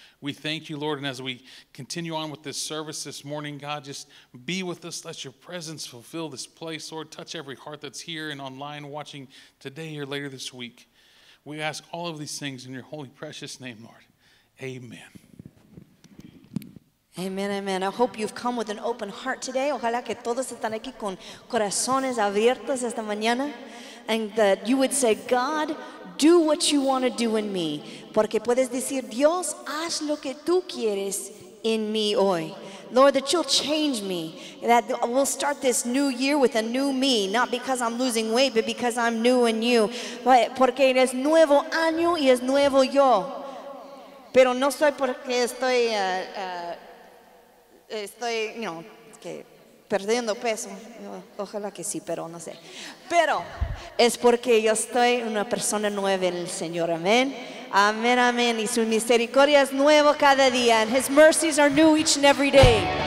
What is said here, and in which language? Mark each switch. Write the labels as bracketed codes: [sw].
[en] We thank you, Lord, and as we continue on with this service this morning, God, just be with us. Let your presence fulfill this place, Lord. Touch every heart that's here and online watching today or later this week. We ask all of these things in your holy, precious name, Lord. Amen. Amen, amen. I hope you've come with an open heart today. [es] Ojalá que todos están aquí con corazones abiertos esta mañana. [en] And that you would say, God, do what you want to do in me. [es] Porque puedes decir, Dios, haz lo que tú quieres [en] in me [es] hoy. [en] Lord, that you'll change me. That we'll start this new year with a new me. Not because I'm losing weight, but because I'm new in you. [es] Porque eres nuevo año y es nuevo yo. Pero no soy porque estoy... Estoy, [en] you know, [es] que perdiendo peso. Ojalá que sí, pero no sé. Pero es porque yo estoy una persona nueva en el Señor. Amén. Amén, amén. Y su misericordia es nueva cada día. [en] And his mercies are new each and every day.